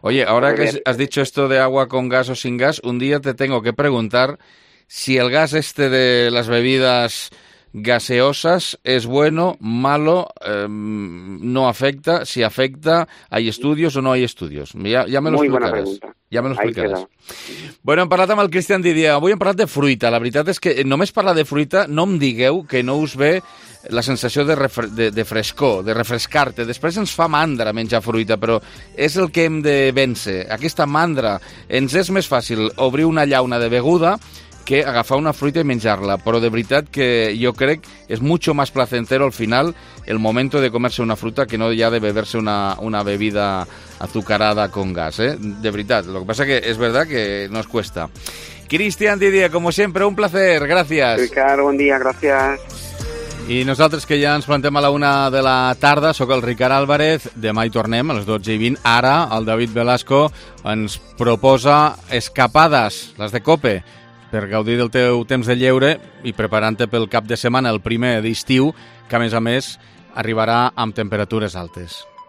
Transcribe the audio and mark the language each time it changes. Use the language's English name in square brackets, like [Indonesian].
[Spanish] Oye, ahora que has dicho esto de agua con gas o sin gas, un día te tengo que preguntar si el gas este de las bebidas gaseosas, ¿es bueno, malo, no afecta? Si afecta, ¿hay estudios o no hay estudios? Ya me lo explicarás. [Catalan] Ja me l'explicaràs. Bueno, hem parlat amb el Christian Didier. Avui hem parlat de fruita. La veritat és que només parlar de fruita, no em digueu que no us ve la sensació de frescor, de refrescar-te. Després ens fa mandra menjar fruita, però és el que hem de vèncer. Aquesta mandra, ens és més fàcil obrir una llauna de beguda que agafar una fruita i menjar-la. Però de veritat que jo crec que és [Spanish] mucho más placentero al final el momento de comerse una fruta que no ya de beberse una bebida azucarada con gas, ¿eh? [Catalan] De veritat. [Spanish] Lo que pasa que es verdad que nos cuesta. Cristian Didier, como siempre, un placer. Gracias. [Catalan] Ricard, bon dia, [Spanish] gracias. [Catalan] I nosaltres que ja ens plantem a la una de la tarda, sóc el Ricard Álvarez, demà hi tornem a les 12:20. Ara el David Velasco ens proposa escapades, les de COPE, per gaudir del teu temps de lleure i preparant-te pel cap de setmana, el primer d'estiu, que a més arribarà amb temperatures altes.